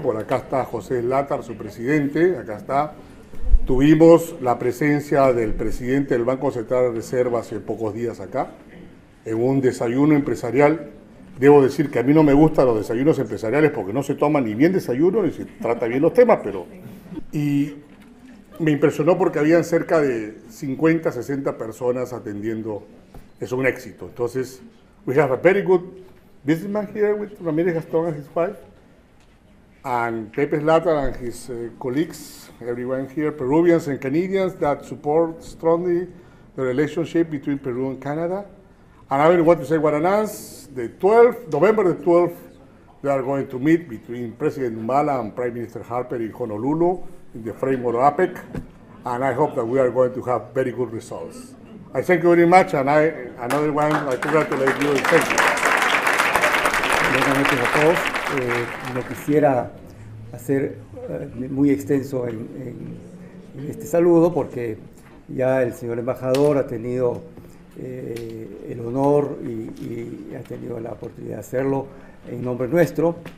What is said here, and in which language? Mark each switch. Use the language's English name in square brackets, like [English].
[Spanish] Por acá está José Slatar, su presidente. Acá está. Tuvimos la presencia del presidente del Banco Central de Reserva hace pocos días acá, en un desayuno empresarial. Debo decir que a mí no me gustan los desayunos empresariales porque no se toma ni bien desayuno ni se trata bien los temas, pero... Y me impresionó porque habían cerca de 50, 60 personas atendiendo. Es un éxito. [English] Entonces, we have a very good businessman here with Ramírez Gastón and his wife, and Pepe Slatar and his colleagues, everyone here, Peruvians and Canadians that support strongly the relationship between Peru and Canada. And I really want to say Guaranás, the 12th, November the 12th, they are going to meet between President Humala and Prime Minister Harper in Honolulu in the framework of APEC. And I hope that we are going to have very good results. I thank you very much, and I, another one, I congratulate you, and thank you. [Spanish] Buenas noches a todos. No quisiera hacer muy extenso en este saludo, porque ya el señor embajador ha tenido el honor y ha tenido la oportunidad de hacerlo en nombre nuestro.